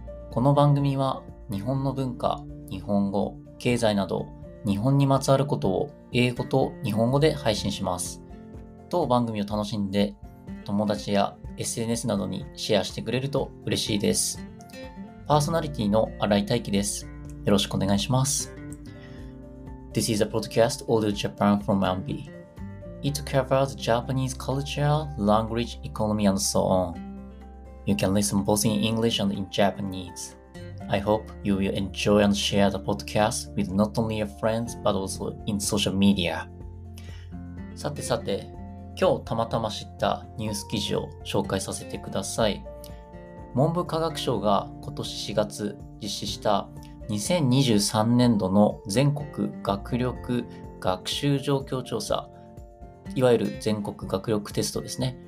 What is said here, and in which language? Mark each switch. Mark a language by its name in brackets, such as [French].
[Japanese] この番組は日本の文化、日本語、経済など日本にまつわることを英語と日本語で配信します。当番組を楽しんで友達や SNS などにシェアしてくれると嬉しいです。パーソナリティの新井大輝です。よろしくお願いします。 [English] This is a podcast Audio Japan from MB. It covers Japanese culture, language, economy and so on. You can listen both in English and in Japanese. I hope you will enjoy and share the podcast with not only your friends but also in social media. [Japanese] さてさて、今日たまたま知ったニュース記事を紹介させてください。文部科学省が今年4月実施した2023年度の全国学力学習状況調査、いわゆる全国学力テストですね。